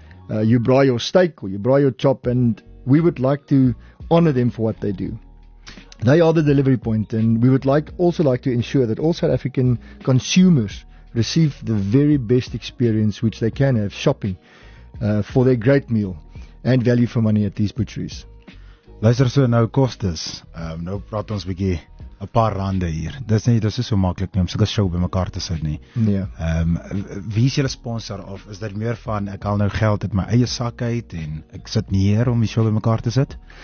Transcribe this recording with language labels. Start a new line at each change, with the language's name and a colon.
English: You braai your steak or you braai your chop, and we would like to honor them for what they do. They are the delivery point, and we would also like to ensure that all South African consumers receive the very best experience which they can have shopping for their great meal and value for money at these butcheries.
Afrikaans: Luister, so nou kostes. Nou praat ons bietjie 'n paar rande hier. Dis nie so maklik nie om sulke show by mekaar te sit nie. Nee. Wie is julle sponsor, of is dit meer van ek haal nou geld uit my eie sak uit en ek sit nie hier om die show by mekaar te sit?